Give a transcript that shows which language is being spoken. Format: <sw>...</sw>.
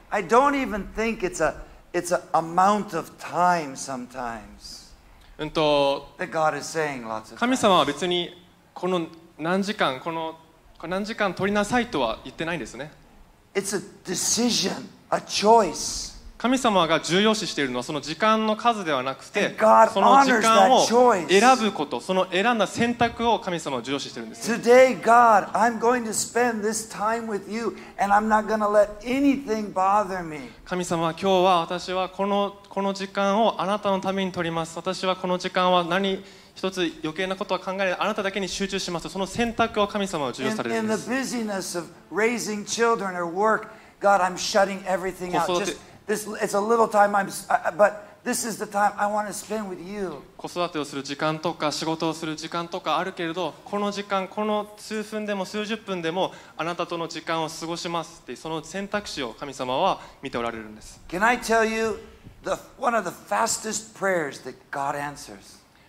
<en>I don't even think it's a amount of time sometimes. That God is saying lots of times.</en> <ja>神様は別にこの何時間、この何時間取りなさいとは言ってないんですね。</ja> <en>It's a decision, a choice.</en> <ja>神様が重要視しているのはその時間の数ではなくて、その時間を選ぶこと、その選んだ選択を神様は重要視しているんです。</ja> <en>Today, God, I'm going to spend this time with you, and I'm not going to let anything bother me.</en> <ja>神様、今日は私はこの時間をあなたのために取ります。私はこの時間は何一つ余計なことは考えない。あなただけに集中します。その選択を神様は重要されるんです。</ja> <en>In the busyness of raising children or work, God, I'm shutting everything out. It's a little time, but this is the time I want to spend with you.</en> <ja>子育てをする時間とか仕事をする時間とかあるけれど、この時間、この数分でも数十分でもあなたとの時間を過ごしますって、その選択肢を神様は見ておられるんです。</ja> <en>Can I tell you one of the fastest prayers that God answers?</en>